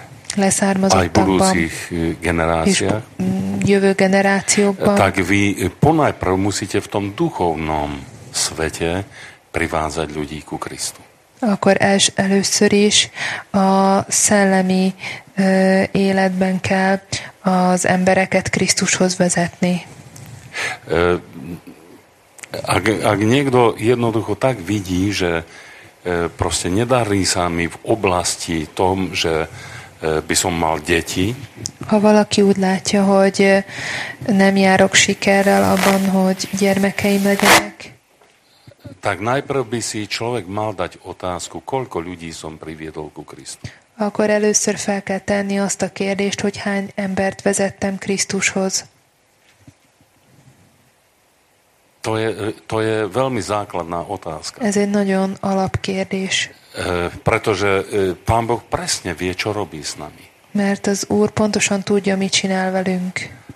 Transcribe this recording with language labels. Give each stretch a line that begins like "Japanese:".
Slovak: aj budúcich generáciách,
Hungarian: jövő generációkban,
Slovak: tak vy ponajprv musíte v tom duchovnom svete privádzať ľudí ku Kristu.
Hungarian: Akkor először is a szellemi életben kell az embereket Krisztushoz vezetni.
Slovak: Ak niekto jednoducho tak vidí, že proste nedarí sa mi v oblasti tom, že by som mal deti.
Hungarian: Ha valaki úgy látja, hogy nem járok sikerrel abban, hogy gyermekeim legyenek.
Slovak: Tak najprv by si človek mal dať otázku, koľko ľudí som priviedol ku Kristu.
Hungarian: Akkor először fel kell tenni azt a kérdést, hogy hány embert vezettem Krisztushoz.
Slovak: To je veľmi základná otázka.
Hungarian: Ez egy nagyon alapkérdés.
Slovak: Pretože Pán Boh presne vie, čo robí s nami.
Hungarian: Mert az Úr pontosan tudja, mit csinál velünk.